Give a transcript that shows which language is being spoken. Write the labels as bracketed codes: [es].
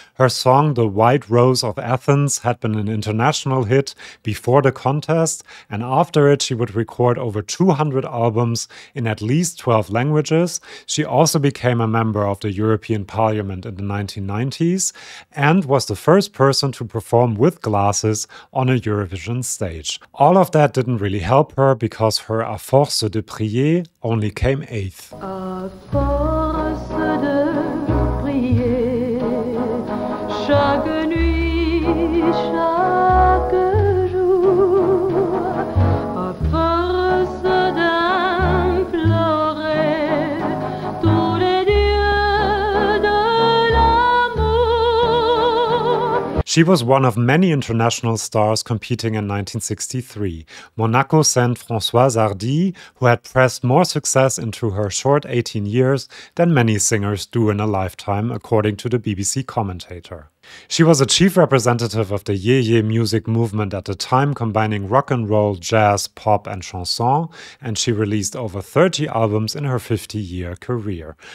[en] Her song The White Rose of Athens had been an international hit before the contest, and after it she would record over 200 albums in at least 12 languages. She also became a member of the European Parliament in the 1990s and was the first person to perform with glasses on a Eurovision stage. All of that didn't really help her because her A Force de Prier only came 8th. [fr] À force de prier, chaque nuit, chaque jour, à force d'implorer tous les dieux de l'amour. [en] She was one of many international stars competing in 1963. Monaco sent Francoise Hardy, who had pressed more success into her short 18 years than many singers do in a lifetime, according to the BBC commentator. She was a chief representative of the Ye Ye music movement at the time, combining rock and roll, jazz, pop and chanson, and she released over 30 albums in her 50-year career.